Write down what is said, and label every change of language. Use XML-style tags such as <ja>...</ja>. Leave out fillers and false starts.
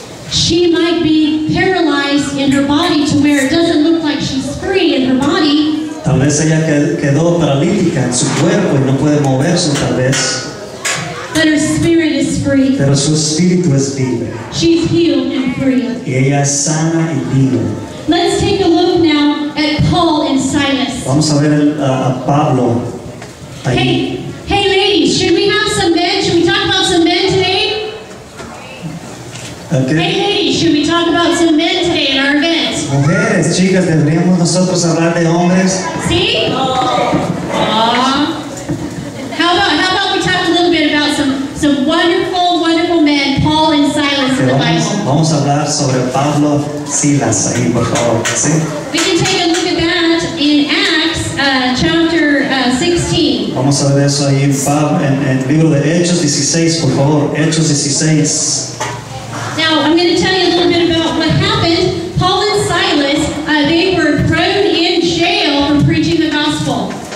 <en>She might be paralyzed in her body to where it doesn't look like she's free in her body.</en> <es>Tal vez ella quedó paralítica en su cuerpo y no puede moverse tal vez.</es> <en>But her spirit is free.</en> <es>Pero su espíritu es libre.</es> <en>She's healed and free.</en> <es>Y ella es sana y libre.</es> <en>Let's take a look now at Paul and Silas.</en> <es>Vamos a ver a Pablo.</es> <en>Hey ladies, should we have some men? Should we talk about some men today? Okay. Hey ladies, should we talk about some men today in our event?</en> <es>Mujeres, chicas, ¿deberíamos nosotros hablar de hombres? Sí.</es> <en>How about we talk a little bit about some wonderful, wonderful men, Paul and Silas in the Bible?</en> <es>Vamos a hablar sobre Pablo, Silas, ahí, por favor. ¿Sí?</es> <en>We can take a look at that in Acts chapter 16.</en> <es>Vamos a ver eso ahí en el libro de Hechos 16, por favor. Hechos 16.</es> <en>Now, I'm going to tell you a little bit about what happened. Paul and Silas, they were thrown in jail for preaching the gospel.</en>